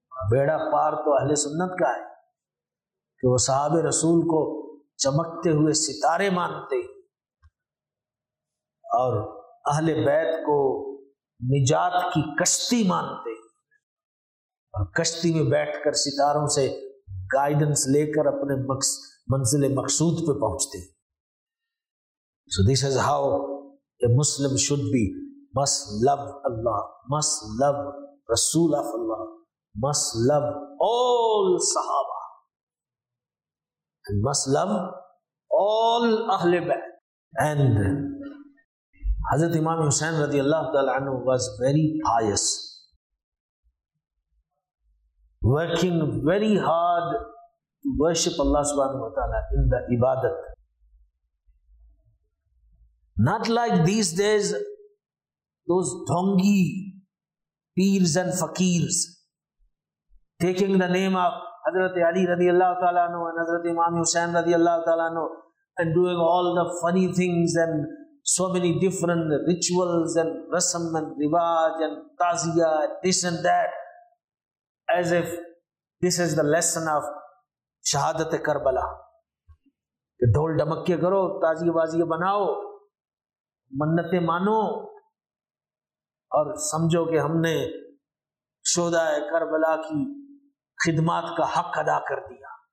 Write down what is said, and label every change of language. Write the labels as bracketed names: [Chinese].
[Urdu] بیڑا پار تو اہل سنت کا ہے کہ وہ صحابہ رسول کو چمکتے ہوئے ستارے مانتے ہیں اور اہل بیت کو نجات کی کشتی مانتے ہیں اور کشتی میں بیٹھ کر ستاروں سے گائیڈنس لے کر اپنے منزل مقصود پہ پہنچتے ہیں. [English] So this is how a Muslim should be. Must love Allah, must love Rasul of Allah, must love all Sahaba, and must love all Ahle Bayt. And Hazrat Imam Hussain radiallahu ta'ala anhu was very pious, working very hard to worship Allah subhanahu wa ta'ala in the ibadat. Not like these days, those dhongi peers and fakirs taking the name of Hazrat Ali radiallahu ta'ala anhu and Hazrat Imam Hussain radiallahu ta'ala anhu and doing all the funny things and so many different rituals and rasam and rivaj and taziya and this and that, as if this is the lesson of shahadat e Karbala. [Urdu] Dhol dhamakke karo, taziya waziya banao, منتیں مانو اور سمجھو کہ ہم نے شہداء کربلا کی خدمات کا حق ادا کر دیا.